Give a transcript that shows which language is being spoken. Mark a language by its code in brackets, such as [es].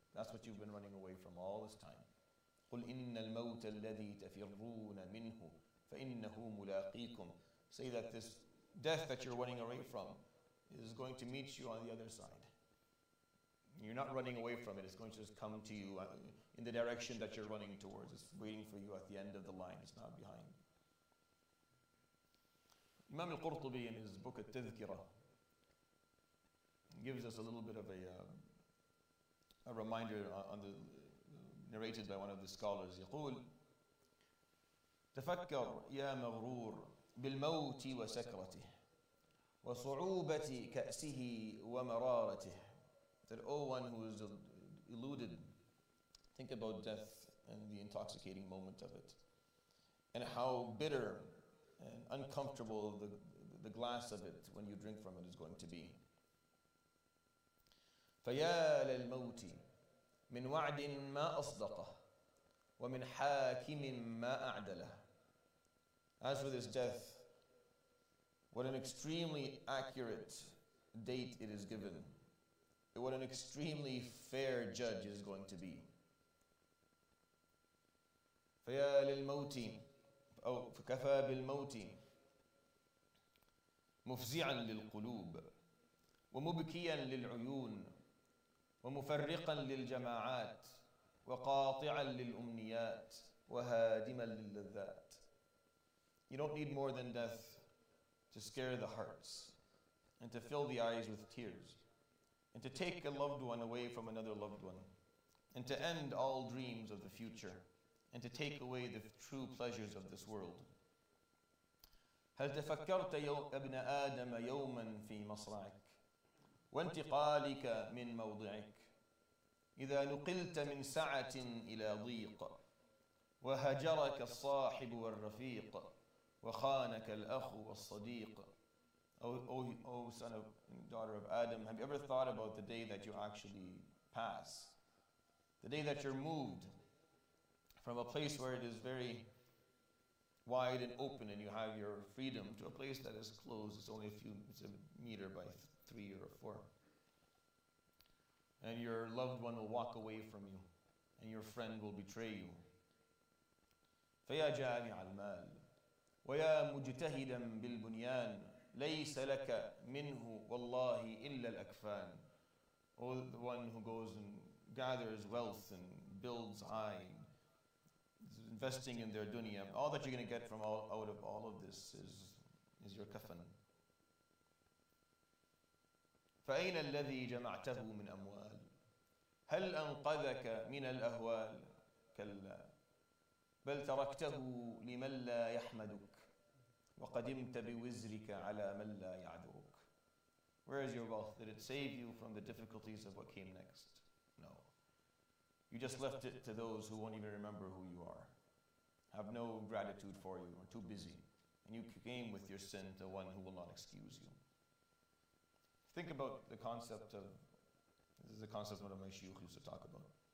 [en] That's what you've been running away from all this time. [ar] قُلْ إِنَّ الْمَوْتَ الَّذِي تَفِرُّونَ مِنْهُ فَإِنَّهُ مُلَاقِيكُمْ. [en] Say that this death that you're running away from is going to meet you on the other side. You're not running away from it. It's going to just come to you in the direction that you're running towards. It's waiting for you at the end of the line. It's not behind. Imam al-Qurtubi in his book At-Tadhkirah gives us a little bit of a reminder on the narrated by one of the scholars. [ar] يقول تفكر يا مغرور بالموت وسكرته وصعوبة كأسه ومرارته. [en] That one who is eluded, think about death and the intoxicating moment of it, and how bitter and uncomfortable the glass of it when you drink from it is going to be. [ar] فيا للموت من وعد ما أصدقه ومن حاكم ما أعدله. [en] As for this death, what an extremely accurate date it is given. What an extremely fair judge it is going to be. [ar] فَيَا لِلْمَوْتِ أو فَكَفَى بِالْمَوْتِ مُفْزِعًا لِلْقُلُوبِ وَمُبْكِيًا لِلْعُيُونِ وَمُفَرِّقًا لِلْجَمَاعَاتِ وَقَاطِعًا لِلْأُمْنِيَاتِ وَهَادِمًا لِلَّذَّاتِ. [en] You don't need more than death to scare the hearts and to fill the eyes with tears and to take a loved one away from another loved one and to end all dreams of the future and to take away the true pleasures of this world. [ar] هل تفكرت يا ابن آدم يوما في مصرعك وانتقالك من موضعك إذا نقلت من سعة إلى ضيق وهجرك الصاحب والرفيق وخانك الأخ والصديق. [en] O son of daughter of Adam, have you ever thought about the day that you actually pass? The day that you're moved from a place where it is very wide and open and you have your freedom to a place that is closed, it's only it's a meter by three or four. And your loved one will walk away from you and your friend will betray you. [ar] فَيَا جَامِعَ الْمَالِ وَيَا مُجْتَهِدًا بِالْبُنْيَانِ لَيْسَ لَكَ مِنْهُ وَاللَّهِ إِلَّا الْأَكْفَانِ. [en] Oh, the one who goes and gathers wealth and builds high, investing in their dunya. All that you're going to get from all out of all of this is your kafan. [ar] فأين الذي جمعته من أموال؟ هل أنقذك من الأهوال؟ كلا بل تركته لمن لا يحمدك وقدمت بوزرك على من لا يعذرك. [en] Where is your wealth? Did it save you from the difficulties of what came next? No. You just left it to those who won't even remember who you are, have no gratitude for you, or too busy. And you came with your sin to one who will not excuse you. Think about the concept of, this is the concept one of my shaykh used to talk about.